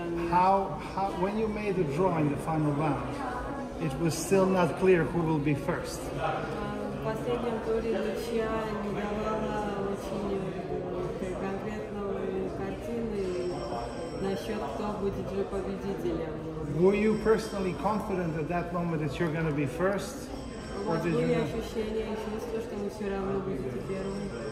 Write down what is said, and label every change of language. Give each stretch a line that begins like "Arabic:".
English: How when you made the draw in the final round, it was still not clear who will be first.
Russian: Последнем туре ничья не давала очень конкретную картину насчет кто будет же победителем.
English: Were you personally confident at that moment that you're going to be first?
Russian: У вас были ощущения и чувства, что вы все равно будете первым?